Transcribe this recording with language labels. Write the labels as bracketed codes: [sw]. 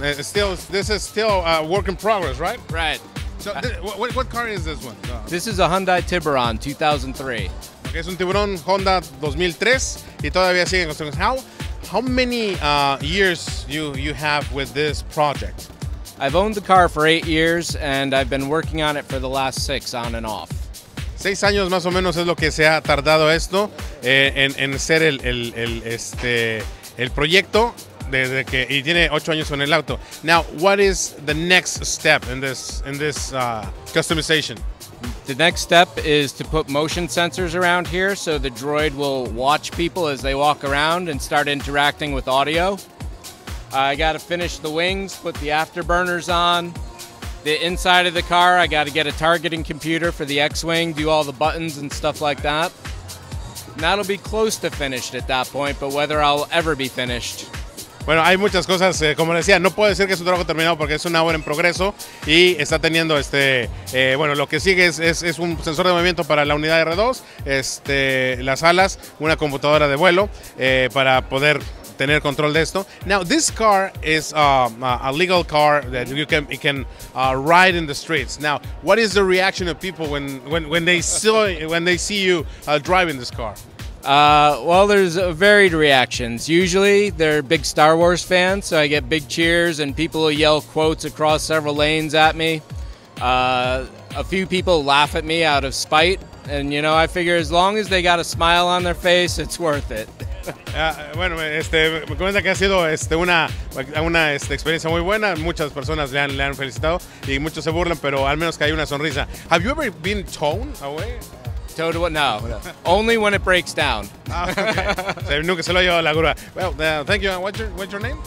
[en] This is still a work in progress, right? Right. So, what car is this one? This is a Hyundai Tiburon 2003. [es] Okay, es un Tiburon Honda 2003 y todavía sigue en construcción. [en] How many years you have with this project? I've owned the car for 8 years and I've been working on it for the last 6 on and off. [es] 6 años más o menos es lo que se ha tardado esto en ser el proyecto desde que y tiene 8 años con el auto. [en] Now, what is the next step in this customization? The next step is to put motion sensors around here so the droid will watch people as they walk around and start interacting with audio. I got to finish the wings, put the afterburners on. The inside of the car, I got to get a targeting computer for the X-wing, do all the buttons and stuff like that. That'll be close to finished at that point, but whether I'll ever be finished. [es] Bueno, hay muchas cosas, como decía, no puedo decir que es un trabajo terminado porque es una obra en progreso y está teniendo lo que sigue es un sensor de movimiento para la unidad R2, las alas, una computadora de vuelo para poder tener control de esto. [en] Now, this car is a legal car that you can ride in the streets. Now, what is the reaction of people when they see you driving this car? Well, there's varied reactions. Usually, they're big Star Wars fans, so I get big cheers and people will yell quotes across several lanes at me. A few people laugh at me out of spite, and you know, I figure as long as they got a smile on their face, it's worth it. [es] Bueno, me comenta que ha sido una experiencia muy buena. Muchas personas le han felicitado y muchos se burlan, pero al menos que hay una sonrisa. [en] Have you ever been towed away? Towed away? No. Only when it breaks down. Ah, okay. [es] Nunca se lo ha llevado la grúa. [en] Well, thank you. What's your name?